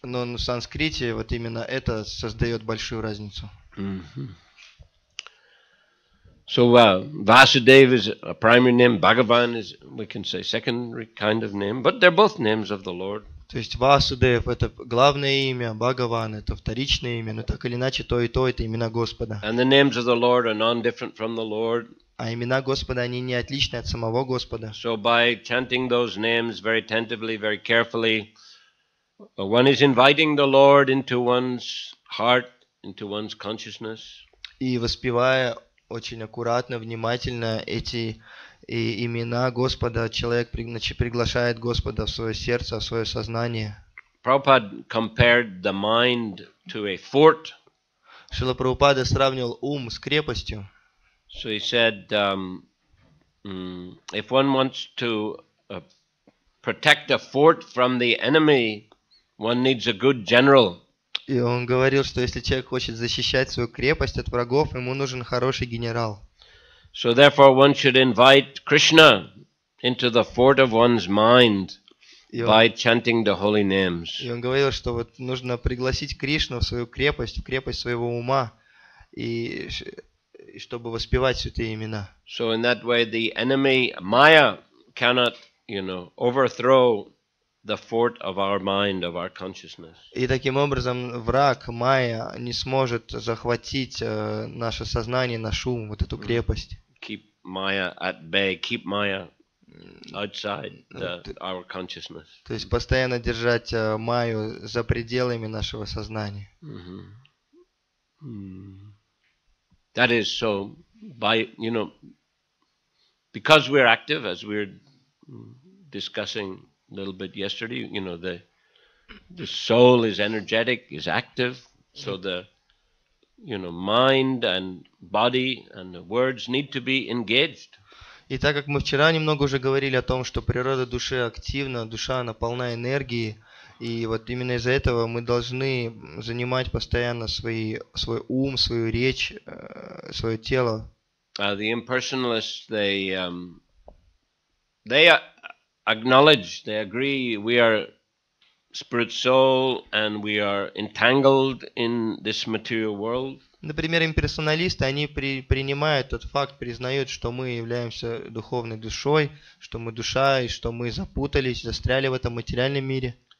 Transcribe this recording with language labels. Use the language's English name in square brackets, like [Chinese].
[Russian] Но на санскрите вот именно это создает большую разницу. [English] So Vasudev is a primary name. Bhagavan is, we can say, secondary kind of name. But they're both names of the Lord. [Russian] То есть Васудев это главное имя, Бхагаван это вторичное имя. Но так или иначе то и то это имена Господа. [English] And the names of the Lord are non-different from the Lord. [Russian] А имена Господа они не отличны от самого Господа. [English] So by chanting those names very attentively, very carefully, one is inviting the Lord into one's heart. Into one's consciousness. [Russian] И воспевая очень аккуратно, внимательно эти имена Господа, человек приглашает Господа в свое сердце, в свое сознание. [English] Prabhupada compared the mind to a fort. [Russian] Шрила Прабхупада сравнил ум с крепостью. [English] So he said, if one wants to protect a fort from the enemy, one needs a good general. [Russian] И он говорил, что если человек хочет защищать свою крепость от врагов, ему нужен хороший генерал. [English] So therefore one should invite Krishna into the fort of one's mind by chanting the holy names. [Russian] И он говорил, что вот нужно пригласить Кришну в свою крепость, в крепость своего ума, и чтобы воспевать святые имена. [English] So in that way the enemy Maya cannot, you know, overthrow the fort of our mind, of our consciousness. [Russian] И таким образом враг Майя не сможет захватить наше сознание, наш ум, вот эту крепость. [English] Keep Maya at bay, keep Maya outside our consciousness. [Russian] То есть постоянно держать Майю за пределами нашего сознания. [English] That is so by, you know, because we're active, as we're discussing a little bit yesterday, you know, the soul is energetic, is active, so the, you know, mind and body and the words need to be engaged. [Russian] И так как мы вчера немного уже говорили о том, что природа души активна, душа она полна энергии, и вот именно из-за этого мы должны занимать постоянно свой ум, свою речь, свое тело. [English] The impersonalists, they are acknowledge, they agree, we are spirit soul and we are entangled in this material world. [Russian] Например, имперсоналисты, они принимают тот факт, признают, что мы являемся духовной душой, что мы душа и что мы запутались, застряли в этом материальном мире.